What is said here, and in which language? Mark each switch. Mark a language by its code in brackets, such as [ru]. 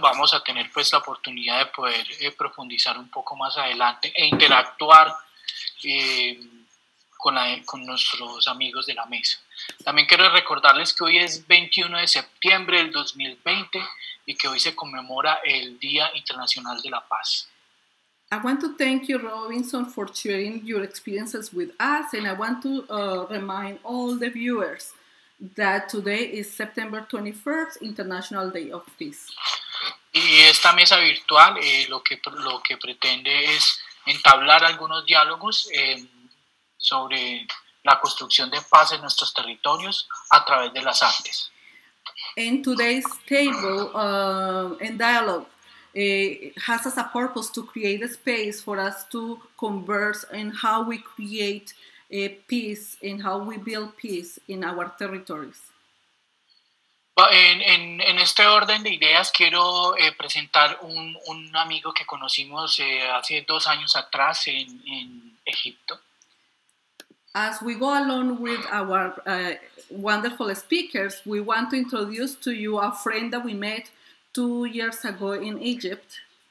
[es] Vamos a tener pues la oportunidad de poder profundizar un poco más adelante e interactuar con nuestros amigos de la mesa. También quiero recordarles que hoy es 21 de septiembre del 2020 y que hoy se conmemora el Día Internacional de la Paz. [en] I want to thank you, Robinson, for sharing your experiences with us, and I want to remind all the viewers that today is September 21st, International Day of Peace. [es] Y esta mesa virtual lo que pretende es entablar algunos diálogos sobre la construcción de paz en nuestros territorios a través de las artes. [en] In today's table and dialogue has as a purpose to create a space for us to converse in how we create a peace and how we build peace in our territories. [es] En este orden de ideas quiero presentar un amigo que conocimos hace 2 años atrás en Egipto. [en] As we go along with our wonderful speakers, we want to introduce to you a friend that we met 2 years ago in Egypt.